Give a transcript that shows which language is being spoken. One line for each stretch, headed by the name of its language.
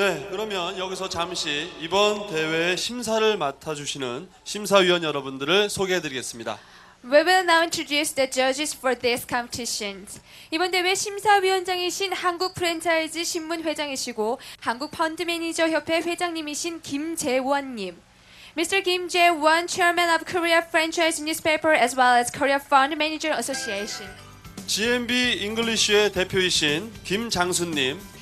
Korean: 그러면 여기서 잠시 이번 대회의 심사를 맡아주시는 심사위원 여러분들을 소개해드리겠습니다.
English: We will now introduce the judges for this competition.
Korean: 이번 대회 심사위원장이신 한국 프랜차이즈 신문 회장이시고 한국 펀드 매니저 협회 회장님이신 김재원님.
English: Mr. Kim Jae-won, Chairman of Korea Franchise Newspaper as well as Korea Fund Manager Association.
Korean: GMB English의 대표이신 김장수님.